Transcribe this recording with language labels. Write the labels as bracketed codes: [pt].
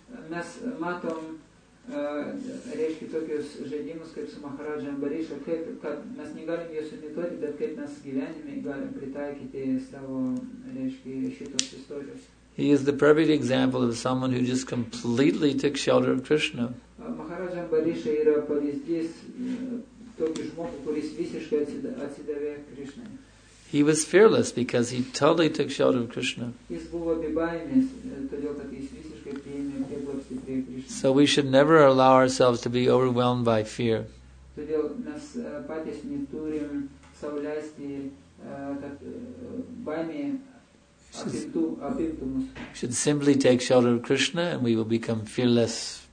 [lt] Mes matom reiškia tokius žaidimus kaip su Maharaja Ambarisha, kaip kad mes negalim juos imituoti, bet kaip mes gyvenime galim pritaikyti savo reiškia šitos istorijos. [en] He is the perfect example of someone who just completely took shelter of Krishna. [lt] Maharaja Ambarisha yra pavyzdys tokį žmogų, kuris visiškai atsidavė Krishna. [en] He was fearless because he totally took shelter of Krishna. [lt] Jis buvo bebaimis, todėl kad jis visiškai priėmė prieglobstį prie Krishna. [en] So we should never allow ourselves to be overwhelmed by fear. [lt] Todėl mes patys neturim sau leisti, kad baimė apimtų mus. [en] We should simply take shelter of Krishna and we will become fearless.